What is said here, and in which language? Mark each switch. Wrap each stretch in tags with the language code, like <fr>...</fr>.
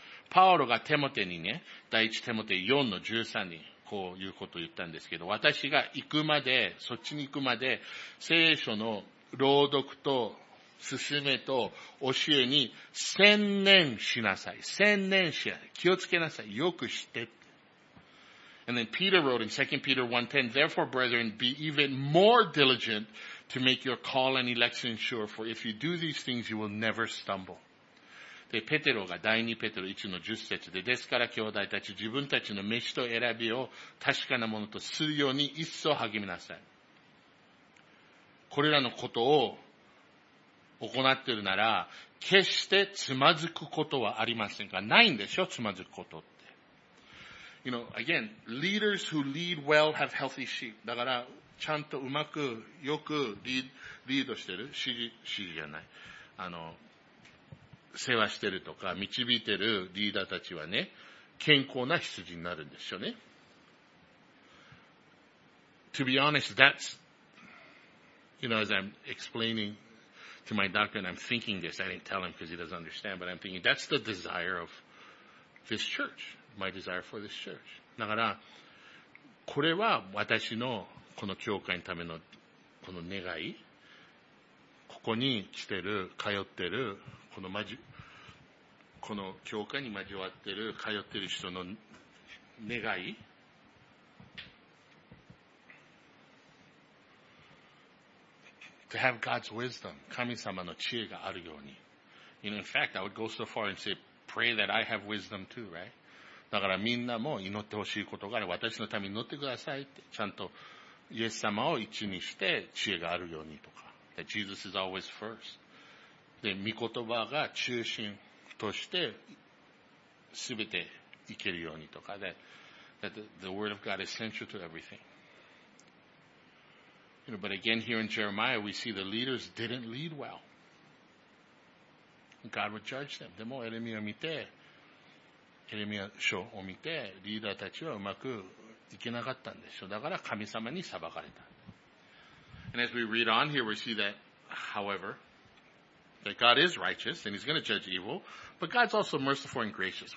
<ja>パウロがテモテにね、第一テモテ4の13にこういうことを言ったんですけど、私が行くまで、そっちに行くまで、聖書の朗読と勧めと教えに専念しなさい。専念しなさい。気をつけなさい。よくして。</ja> <en>And then Peter wrote in 2 Peter 1:10, therefore brethren, be even more diligent to make your call and election sure, for if you do these things, you will never stumble.</en> <ja>で、ペテロが第2ペテロ1の10節で、ですから兄弟たち、自分たちの召しと選びを確かなものとするように一層励みなさい。これらのことを行っているなら、決してつまずくことはありませんが、ないんでしょ、つまずくことって。</ja> <en>You know, again, leaders who lead well have healthy sheep.</en> <ja>だから、ちゃんとうまく、よくリードしてる、指示じゃない。世話してるとか、導いてるリーダーたちはね、健康な羊になるんでしょうね。</ja> <en>To be honest, that's, you know, as I'm explaining to my doctor and I'm thinking this, I didn't tell him because he doesn't understand, but I'm thinking that's the desire of this church. My desire for this church.</en> <ja>だから、これは私のこの教会のためのこの願い、ここに来てる、通ってる、この教会に交わってる、通ってる人の願い。</ja> <en>To have God's wisdom,</en> <ja>神様の知恵があるように。</ja> <en>You know, in fact, I would go so far and say, pray that I have wisdom too, right?</en> <ja>だからみんなも祈ってほしいことがある。私のために祈ってくださいって。ちゃんとイエス様を一にして知恵があるようにとか。</ja> <en>That Jesus is always first.</en> <ja>で、御言葉が中心としてすべていけるようにとか。</ja> <en>That the word of God is central to everything. You know, but again here in Jeremiah, we see the leaders didn't lead well. God would judge them.</en> <ja>でもエレミアを見て、エレミア書を見て、リーダーたちはうまくいけなかったんでしょう。だから神様に裁かれた。</ja> <en>And as we read on here, we see that, however, that God is righteous and He's going to judge evil, but God's also merciful and gracious.</en>